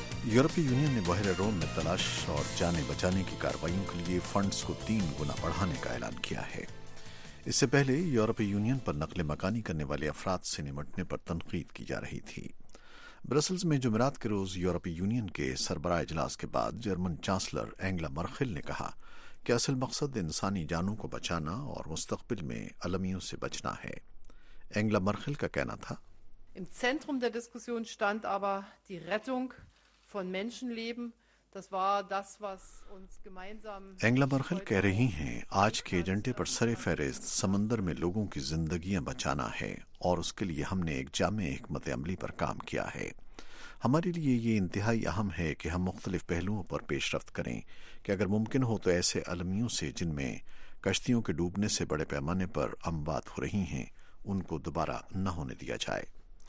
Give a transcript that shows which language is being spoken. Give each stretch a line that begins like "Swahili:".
Urdu: یورپی یونین نے بحیرہ روم میں تلاش اور جانے بچانے کی کاروائیوں کے لیے فنڈز کو 3 گنا بڑھانے کا اعلان کیا ہے۔ اس سے پہلے یورپی یونین پر نقل مکانی کرنے والے افراد سے نمٹنے پر تنقید کی جا رہی تھی۔ برسلز میں جمعرات کے روز یورپی یونین کے سربراہ اجلاس کے بعد جرمن چانسلر اینگلا مرخل نے کہا کہ اصل مقصد انسانی جانوں کو بچانا اور مستقبل میں المیوں سے بچنا ہے۔ اینگلا مرخل کا کہنا تھا،
German: Im Zentrum der Diskussion stand aber die Rettung von Menschenleben. Das war das, was uns gemeinsam.
Urdu: Angela Merkel کہہ رہی ہیں آج کے ایجنڈے پر سر فہرست سمندر میں لوگوں کی زندگیاں بچانا ہے اور اس کے لیے ہم نے ایک جامع حکمت عملی پر کام کیا ہے. ہمارے لیے یہ انتہائی اہم ہے کہ ہم مختلف پہلوؤں پر پیش رفت کریں کہ اگر ممکن ہو تو ایسے المیوں سے جن میں کشتیوں کے ڈوبنے سے بڑے پیمانے پر اموات ہو رہی ہیں ان کو دوبارہ نہ ہونے دیا جائے.